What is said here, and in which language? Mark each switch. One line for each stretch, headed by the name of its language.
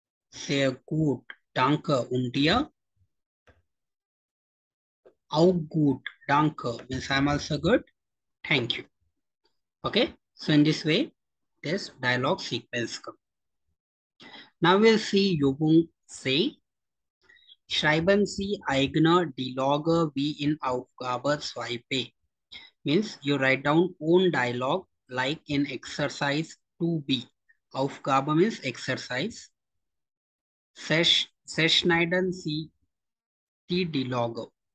German: Sehr gut. Danke. Und dir? Auch gut. Danke.
English: Means I'm also good. Thank you. Okay. So in this way, this dialogue sequence comes. Now we'll see Yubung.
German: Say, schreiben Sie eigene Dialoge wie in Aufgabe 2b.
English: Means you write down own dialogue like in exercise 2b.
German: Aufgabe
English: means exercise.
German: Schneiden Sie die Dialoge.